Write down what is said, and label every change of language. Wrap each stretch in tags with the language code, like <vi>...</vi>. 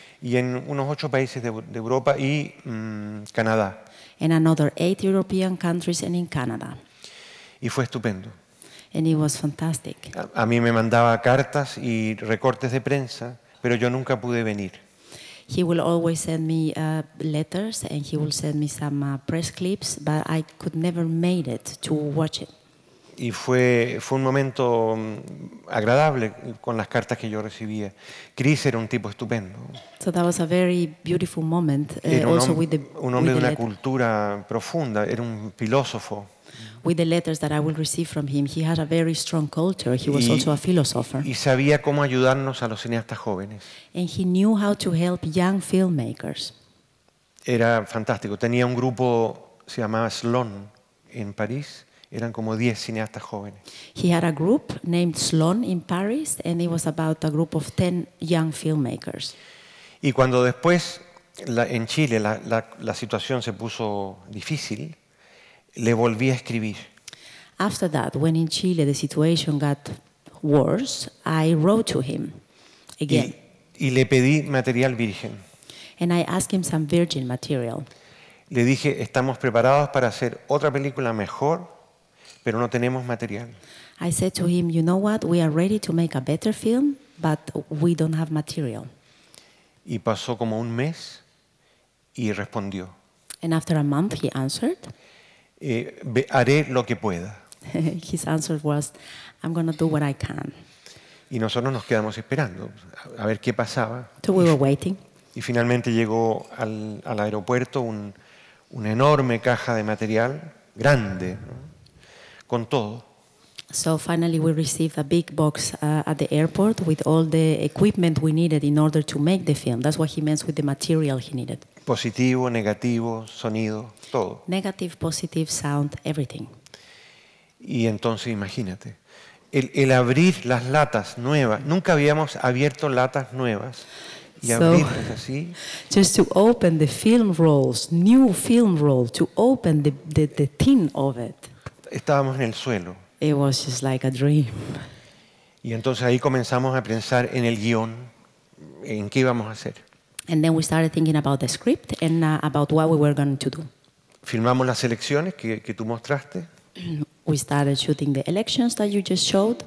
<es>Y en unos 8 países de Europa y Canadá.</es> <en>And another 8 European countries and in Canada.</en> <es>Y fue estupendo.</es> <en>And it was fantastic.</en> <es>A mí me mandaba cartas y recortes de prensa, pero yo nunca pude venir.</es> <en>He will always send me letters and he will send me some press clips, but I could never made it to watch it.</en> <es>Y fue un momento agradable con las cartas que yo recibía. Chris era un tipo estupendo.</es> <en>So that was a very beautiful moment.</en> <es>Un hombre de una cultura profunda, era un filósofo.</es> <en>With the letters that I will receive from him, he had a very strong culture. He was also a philosopher.</en> <es>Y sabía cómo ayudarnos a los cineastas jóvenes.</es> <en>And he knew how to help young filmmakers.</en> <es>Era fantástico. Tenía un grupo, se llamaba Sloan, en París. Eran como 10 cineastas jóvenes.</es> <en>He had a group named Sloan in Paris, and it was about a group of 10 young filmmakers.</en> <es>Y cuando después, en Chile, la situación se puso difícil. Le volví a escribir.</es> <en>After that, when in Chile the situation got worse, I wrote to him again.</en> <es>Y le pedí material virgen.</es> <en>And I asked him some virgin material.</en> <es>Le dije, estamos preparados para hacer otra película mejor, pero no tenemos material.</es> <en>I said to him, you know what? We are ready to make a better film, but we don't have material.</en> <es>Y pasó como un mes y respondió.</es> <en>And after a month he answered.</en> <es>Haré lo que pueda.</es> <en>His answer was, I'm going to do what I can.</en> <es>Y nosotros nos quedamos esperando a ver qué pasaba.</es> <en>So we were waiting.</en> <es>Y finalmente llegó al aeropuerto una enorme caja de material, grande, ¿no? Con todo.</es> <en>So finally we received a big box at the airport with all the equipment we needed in order to make the film. That's what he meant with the material he needed.</en> <es>Positivo, negativo, sonido, todo.</es> <en>Negative, positive, sound, everything.</en> <es>Y entonces imagínate, el abrir las latas nuevas, nunca habíamos abierto latas nuevas y</es> <en>so,</en> <es>abrirlas así.</es> <en>Just to open the film rolls, new film roll, to open the tin of it.</en> <es>Estábamos en el suelo.</es> <en>It was just like a dream.</en> <es>Y entonces ahí comenzamos a pensar en el guión, en qué íbamos a hacer.</es> <en>And then we started thinking about the script and about what we were going to do.</en> <es>Filmamos las elecciones que tú mostraste.</es> <en>We started shooting the elections that you just showed.</en>